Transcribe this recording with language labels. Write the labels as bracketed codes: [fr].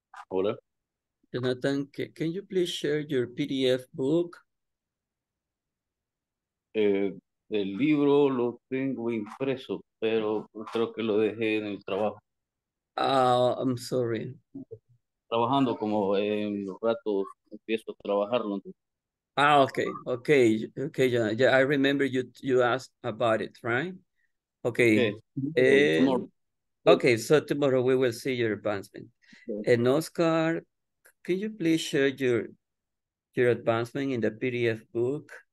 [es] Oh. Hola. [en] Jonathan, can you please share your PDF book? [es] El libro lo tengo impreso, pero creo que lo dejé en el trabajo. [en] I'm sorry. [es] Trabajando como en los ratos empiezo a trabajarlo. [en] Ah, okay, okay, okay, Jonathan. Yeah, I remember you asked about it, right? Okay. Okay. Okay, so tomorrow we will see your advancement. Okay. And Oscar, can you please share your advancement in the PDF book?